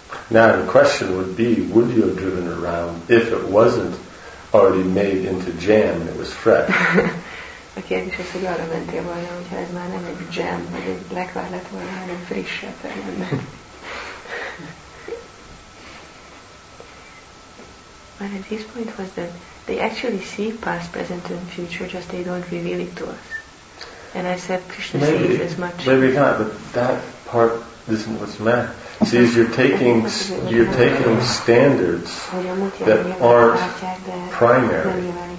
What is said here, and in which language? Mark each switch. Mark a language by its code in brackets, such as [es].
[en] Now the question would be, would you have driven around if it wasn't already made into jam and it was fresh? [hu] A kérdés az, hogy arra mentél volna, hogyha ez már nem egy jam, vagy egy lekvár lett volna, hanem frissebb. [en] But at this point was that they actually see past, present and future, just they don't reveal it to us. And I said Krishna sees as much. Maybe not, but that part isn't what's meant. See, is you're taking standards that aren't primary.